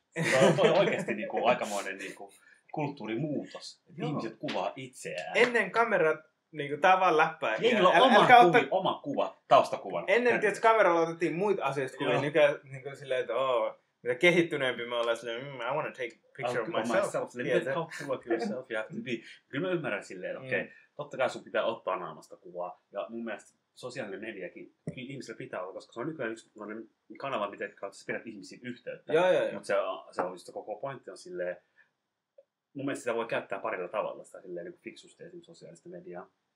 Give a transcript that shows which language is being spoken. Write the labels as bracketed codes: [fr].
[fi] Tämä on oikeasti niin kuin aikamoinen niin kuin kulttuurimuutos. Ihmiset kuvaa itseään. Ennen kamerat, niin kuin, tämä on vaan läppää. Niillä on oma kuva, taustakuvan. Ennen tietysti kameralla otettiin muita asioista kuvia. Niin kuin silleen, että mitä kehittyneempi me ollaan. [en] Silleen, I want to take a picture of myself. Silleen, how to look yourself, you have to be. [fi] Kyllä mä ymmärrän silleen, että okei, totta kai sun pitää ottaa naamasta kuvaa. Ja mun mielestä sosiaalinen mediakin ihmisillä pitää olla, koska se on nykyään yksi kanava, miten kautta sä pidät ihmisiin yhteyttä. Mutta se on just se koko pointti on silleen, mun mielestä sitä voi käyttää parilla tavalla sitä silleen, niin kuin fiksusti esimerkiksi sosiaalista mediaa.